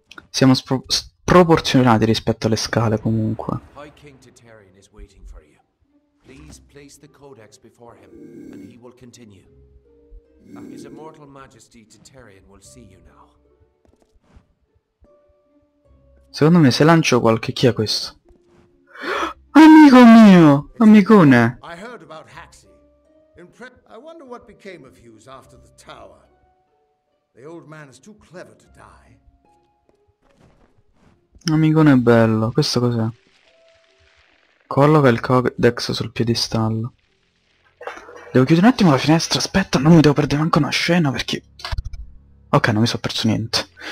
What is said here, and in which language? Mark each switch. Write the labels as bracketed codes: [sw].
[it] Siamo sproporzionati rispetto alle scale comunque. [en] High King Titarian is waiting for you. Please place the codex before him and he will continue. His immortal majesty Titarian will see you now. [it] Secondo me se lancio qualche... Chi è questo? Amico mio! Amicone! [en] I heard about Haxi. I wonder what became of Hughes after the tower. The old man is too clever to die. [it] Amicone bello, questo cos'è? Colloca il codex sul piedistallo. Devo chiudere un attimo la finestra, aspetta, non mi devo perdere neanche una scena perché... Ok, non mi sono perso niente.